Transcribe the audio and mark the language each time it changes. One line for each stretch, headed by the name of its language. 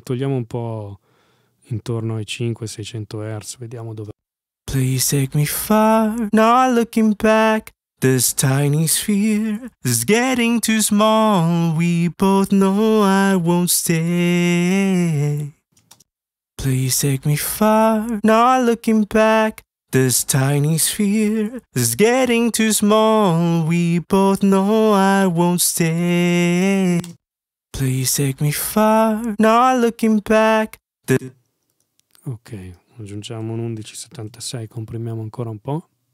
Italian: Togliamo un po' intorno ai 500-600 Hz, vediamo dove.
English: Please take me far, not looking back. This tiny sphere is getting too small. We both know I won't stay. Please take me far, not looking back. This tiny sphere is getting too small. We both know I won't stay. Please take me far, not looking back.
Italian: Ok, aggiungiamo un 11,76, comprimiamo ancora un po'.